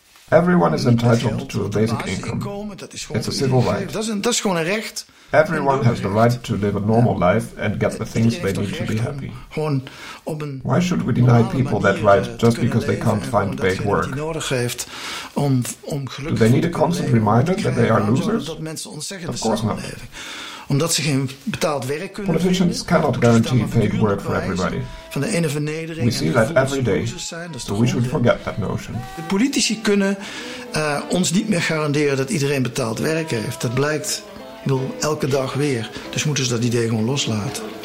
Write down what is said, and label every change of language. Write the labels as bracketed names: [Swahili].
[English] Everyone is entitled to a basic income. It's a civil right. Everyone has the right to live a normal life and get the things they need to be happy. Why should we deny people that right just because they can't find paid work? Do they need a constant reminder that they are losers? Of course not. [Dutch] Omdat ze geen betaald werk kunnen vinden. [English] Politicians cannot guarantee paid work for everybody. [Dutch] Van de ene vernedering. [English] We see that every day. So we should forget that notion. [Dutch] De politici kunnen ons niet meer garanderen dat iedereen betaald werk heeft. Dat blijkt elke dag weer. Dus moeten ze dat idee gewoon loslaten.